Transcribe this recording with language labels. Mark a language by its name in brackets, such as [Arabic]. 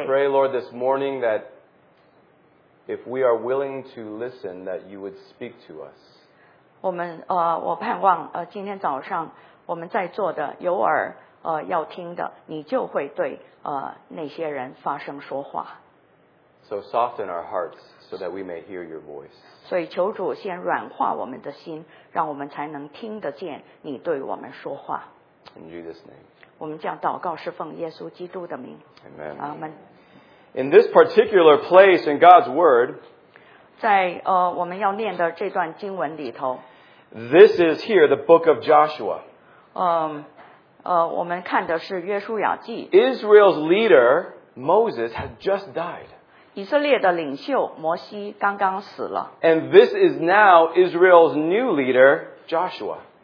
[English] I pray, Lord, this morning that if we are willing to listen, that you would speak to us. [Chinese] 我们盼望今天早上我们在座的有耳要听的，你就会对那些人发声说话。 [English] So soften our hearts so that we may hear your voice. [Chinese] 所以求主先软化我们的心，让我们才能听得见你对我们说话。 [English] In Jesus' name. [Chinese] 我们这样祷告是奉耶稣基督的名。 [English] Amen. Amen. In this particular place in God's Word, [Chinese] 在我们要念的这段经文里头, [English] this is here, the book of Joshua. [Chinese] 我们看的是约书亚记。 [English] Israel's leader, Moses, had just died. [Chinese] 以色列的领袖摩西刚刚死了。 [English] And this is now Israel's new leader, Joshua.